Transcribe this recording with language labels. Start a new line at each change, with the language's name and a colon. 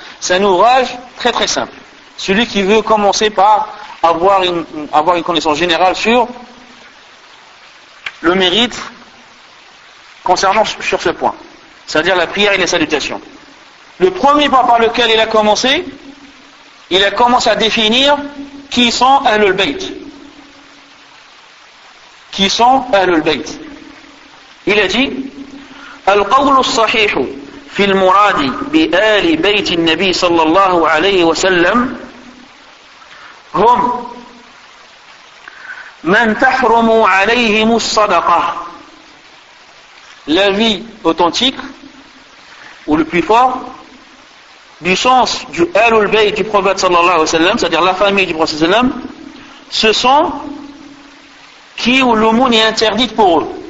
French: C'est un ouvrage très très simple. Celui qui veut commencer par avoir une connaissance générale sur le mérite concernant sur ce point. C'est-à-dire la prière et les salutations. Le premier point par lequel il a commencé à définir qui sont Ahlul Bayt. Qui sont Ahlul Bayt. Il a dit
Arabic: القول الصحيح في المراد بآل بيت النبي صلى الله عليه وسلم هم من تحرم عليهم الصدقة.
French: L'avis authentique ou le plus fort du sens du Ahlul Bayt du prophète sallallahu alayhi wa sallam, c'est-à-dire la famille du prophète sallallahu alayhi wa sallam, ce sont qui ou l'aumône est interdite pour eux.